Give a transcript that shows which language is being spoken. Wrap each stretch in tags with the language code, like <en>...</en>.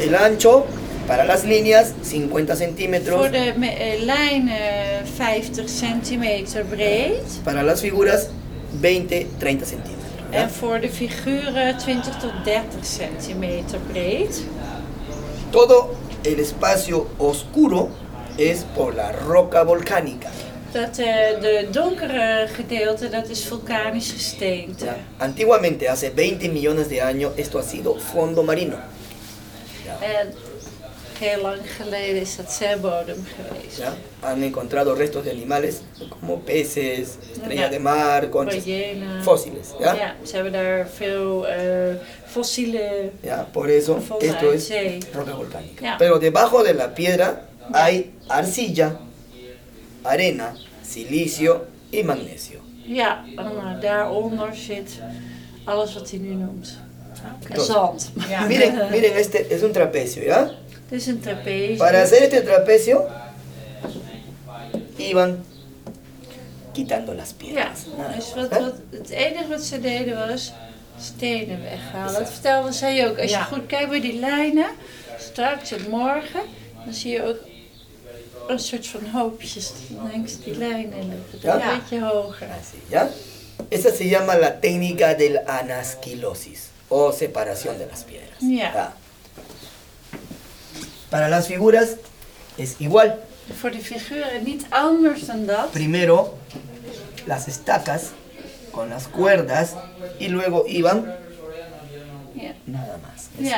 <es>El ancho para las líneas 50 centímetros.</es> <nl>Voor de lijnen 50 centímetros breed.</nl> <es>Para las figuras 20 a 30 centímetros.</es> <nl>En voor de figuren 20 tot 30 centímetros breed.</nl> <es>Todo el espacio oscuro es por la roca volcánica.</es> <nl>Dat de donkere gedeelte, dat is vulkanisch gesteente. Ja.</nl> <es>Antiguamente, hace 20 millones de años, esto ha sido fondo marino.</es> <nl>Ja. En heel lang geleden is dat zeebodem geweest.</nl> <es>Ja. Han encontrado restos de animales como peces, estrellas de mar, conchas, ballena. Fósiles. Ja?</es> <nl>Ja, ze hebben daar veel fossiele.</nl> <es>Ja, por eso esto es roca volcánica. Ja. Pero debajo de la piedra hay arcilla, arena, silicio y magnesio.</es> <nl>Ja, daaronder zit alles wat hij nu noemt. Okay. Zand. Ja.</nl> <es>Miren, este es un trapecio, ¿ya?</es> <nl>Het is een trapecio.</nl> <es>Para hacer este trapecio iban quitando las piedras.</es> <nl>Ja, dus het enige wat ze deden was stenen weghalen. Dat vertelde zij ook. Als je goed kijkt bij die lijnen, straks en morgen, dan zie je ook een soort van hoopjes langs die lijnen. Ja. Een beetje hoger. Ja?</nl> <es>Esa se llama la técnica del anasquilosis, o separación de las piedras.</es> <nl>Ja. Ja.</nl> <es>Para las figuras es igual.</es> <nl>Voor de figuren niet anders dan dat.</nl> <es>Primero las estacas con las cuerdas y luego iban nada más.</es>